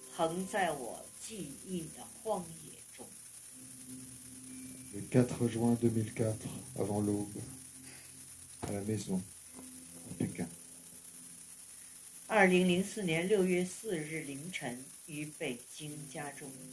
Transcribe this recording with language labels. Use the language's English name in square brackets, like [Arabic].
[Chinese] 更令人绝望，一个大屠杀的幸存者无力为死难者讨回公道，尤其令人绝望。绝望中，祭出亡灵是唯一的希望，让黑暗变成石头，横在我记忆的荒野中。 [French] Le 4 juin 2004, avant l'aube, à la maison. [Chinese] 2004年6月4日凌晨，于北京家中。